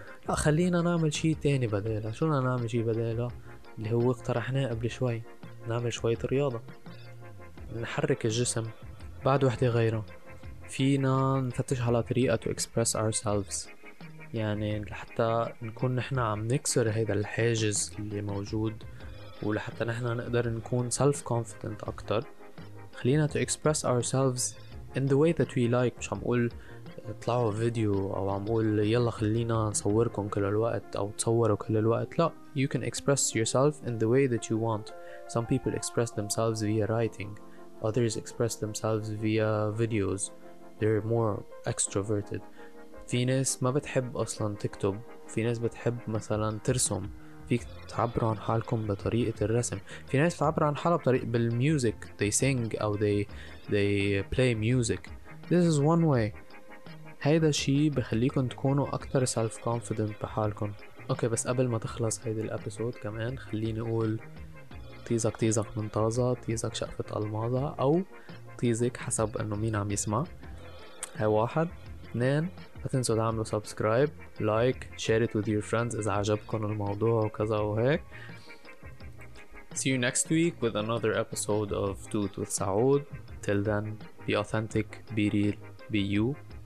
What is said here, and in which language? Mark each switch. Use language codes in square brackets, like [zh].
[ar] خلينا نعمل شيء تاني بداله. شو نعمل شيء بداله؟ اللي هو اقترحناه قبل شوي، نعمل شوية رياضة، نحرك الجسم. بعد وحدة غيره، فينا نفتش على طريقة [en] to express ourselves، [ar] يعني لحتى نكون نحن عم نكسر هيدا الحاجز اللي موجود، ولحتى نحن نقدر نكون [en] self confident [ar] أكتر. خلينا [en] to express ourselves in the way that we like. [ar] مش عم قول اطلعوا فيديو او عم قول يلا خلينا نصوركم كل الوقت او تصوروا كل الوقت، لا. [en] You can express yourself in the way that you want. Some people express themselves via writing, others express themselves via videos. They're more extroverted. [ar] في ناس ما بتحب اصلا تكتب، في ناس بتحب مثلا ترسم، فيك تعبر عن حالكم بطريقة الرسم، في ناس بتعبر عن حالها بطريقة بالميوزك، [en] they sing [ar] أو [en] they play music. This is one way. [ar] هيدا شي بخليكم تكونوا أكتر self confident بحالكم. أوكي بس قبل ما تخلص هيدا الأبسود كمان خليني أقول طيزك طيزك من طازة، طيزك شقفة ألماظة أو طيزك حسب أنه مين عم يسمع. هاي واحد. اثنين، لا تنسوا تعملوا [en] subscribe like share it with your friends [ar] اذا عجبكم الموضوع وكذا وهيك. [en] See you next week with another episode of Toot with Saud. Till then, be authentic, be real, be you.